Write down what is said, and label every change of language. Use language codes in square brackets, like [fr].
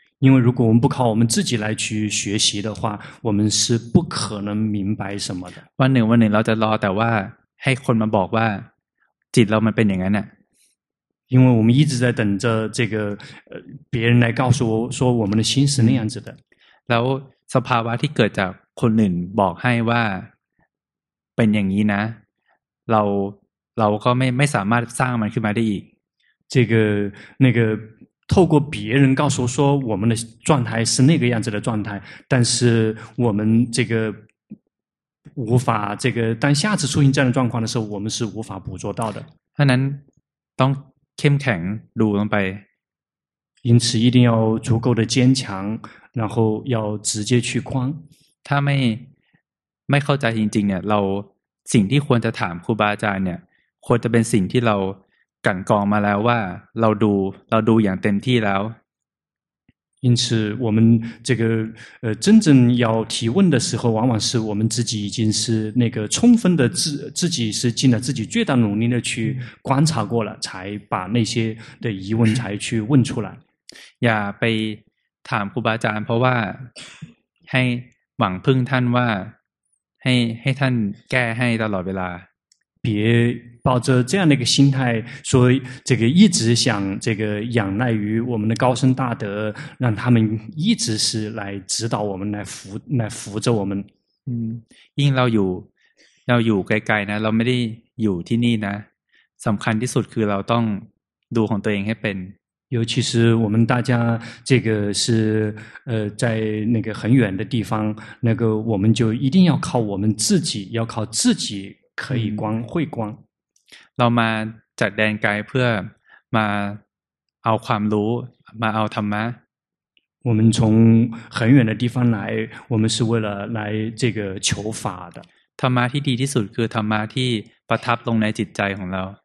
[zh] 因为如果我们不靠我们自己来去学习的话我们是不可能明白什么的 [th] วันหนึ่งเราจะรอแต่ว่าให้คนมาบอกว่าจิตเรามันเป็นอย่างนั้นน่ะ [zh] 因为我们一直在等着这个别人来告诉我说我们的心是那样子的 [th] แล้วสภาวะที่เกิดจากคนอื่นบอกให้ว่าเป็นอย่างนี้นะเราก็ไม่สามารถสร้างมันขึ้นมาได้อีก [zh] 这个那个透过别人告诉说我们的状态是那个样子的状态但是我们这个无法这个当下次出现这样的状况的时候我们是无法捕捉到的 [th] ฉะนั้นต้องเข้มแข็งดูลงไป [zh] 因此一定要足够的坚强然后要直接去观 [th] ถ้าไม่เข้าใจจริงๆเนี่ยเราสิ่งที่ควรจะถามครูบาอาจารย์เนี่ยควรจะเป็นสิ่งที่เรากันกองมาแล้วว่าเราดูอย่างเต็มที่แล้ว [zh] 因此我们这个真正要提问的时候往往是我们自己已经是那个充分的自己是尽了自己最大努力的去观察过了才把那些的疑问才去问出来 [th] อย่าไปถามครูบาอาจารย์เพราะว่าให้หวังพึ่งท่านว่าให้ท่านแก้ให้ตลอดเวลา [zh] 别抱着这样的一个心态说这个一直想这个仰赖于我们的高僧大德让他们一直是来指导我们来扶着我们嗯因为 [th] เราอยู่ใกล้ๆนะเราไม่ได้อยู่ที่นี่นะสำคัญที่สุดคือเราต้องดูของตัวเองให้เป็น [zh] 尤其是我们大家这个是在那个很远的地方那个我们就一定要靠我们自己要靠自己可以光会光 [th] เรามาจัดแดนไกลเพื่อมาเอาความรู้มาเอาธรรมะ [zh] 我们从很远的地方来我们是为了来这个求法的 [th] ธรรมะที่ดีที่สุดคือธรรมะที่ประทับลงในจิตใจของเรา